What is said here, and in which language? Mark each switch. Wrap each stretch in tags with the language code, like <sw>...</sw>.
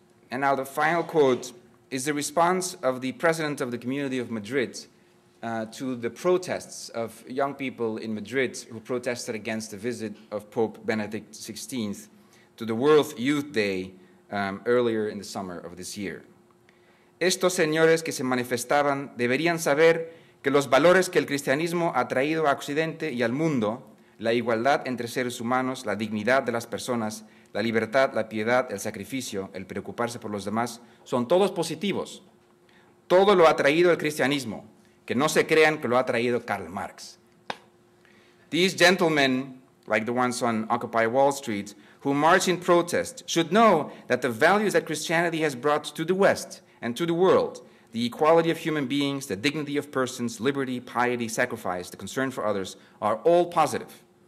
<en>And now the final quote is the response of the president of the Community of Madrid to the protests of young people in Madrid who protested against the visit of Pope Benedict XVI to the World Youth Day earlier in the summer of this year.</en> <es>Estos señores que se manifestaban deberían saber que los valores que el cristianismo ha traído a Occidente y al mundo, la igualdad entre seres humanos, la dignidad de las personas, la libertad, la piedad, el sacrificio, el preocuparse por los demás, son todos positivos. Todo lo ha traído el cristianismo, que no se crean que lo ha traído Karl Marx.</es> <en>These gentlemen, like the ones on Occupy Wall Street, who march in protest, should know that the values that Christianity has brought to the West and to the world, the equality of human beings, the dignity of persons, liberty, piety, sacrifice, the concern for others, are all positive.</en>